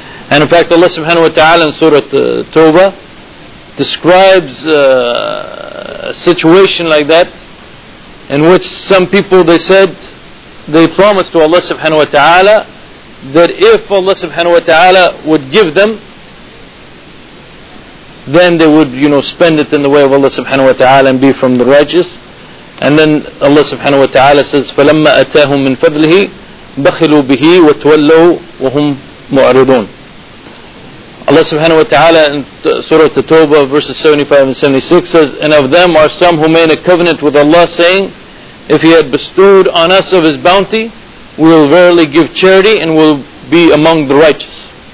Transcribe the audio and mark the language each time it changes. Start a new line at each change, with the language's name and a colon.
English: And in fact, Allah subhanahu wa ta'ala in Surah Tawbah describes a situation like that, in which some people, they said, they promised to Allah subhanahu wa ta'ala that if Allah subhanahu wa ta'ala would give them, then they would, you know, spend it in the way of Allah subhanahu wa ta'ala and be from the righteous. And then Allah subhanahu wa ta'ala says,
Arabic: فَلَمَّا أَتَاهُم مِّن فَضْلِهِ بَخِلُوا بِهِ وَتُوَلَّوا وَهُمْ مُعْرِضُونَ.
English: Allah subhanahu wa ta'ala in Surah At-Tawbah verses 75 and 76 says, and of them are some who made a covenant with Allah saying, if He had bestowed on us of His bounty, we will verily give charity and will be among the righteous.